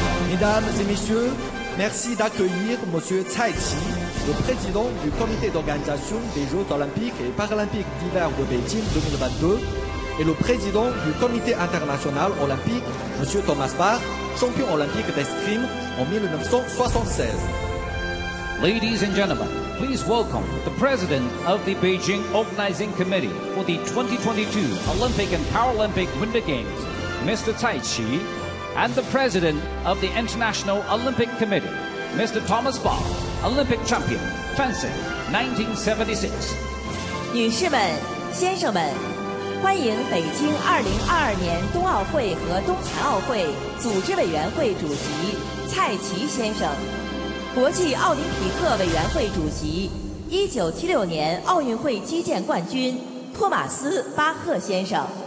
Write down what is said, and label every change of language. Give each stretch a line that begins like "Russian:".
French: Mesdames et messieurs, merci d'accueillir Monsieur Cai Qi, le président du comité d'organisation des Jeux Olympiques et Paralympiques d'hiver de Beijing 2022 et le président du comité international olympique, Monsieur Thomas Barr, champion olympique d'escrime en 1976.
English: Ladies and gentlemen, please welcome the president of the Beijing Organising Committee for the 2022 Olympic and Paralympic Winter Games, Mr. Cai Qi, and the president of the International Olympic Committee, Mr. Thomas Barr, Olympic champion, fencing, 1976.
Chinese: 女士们, 先生们, 欢迎北京 2022年冬奥会和冬残奥会组织委员会主席 蔡奇先生，国际奥林匹克委员会主席，1976年奥运会击剑冠军托马斯·巴赫先生。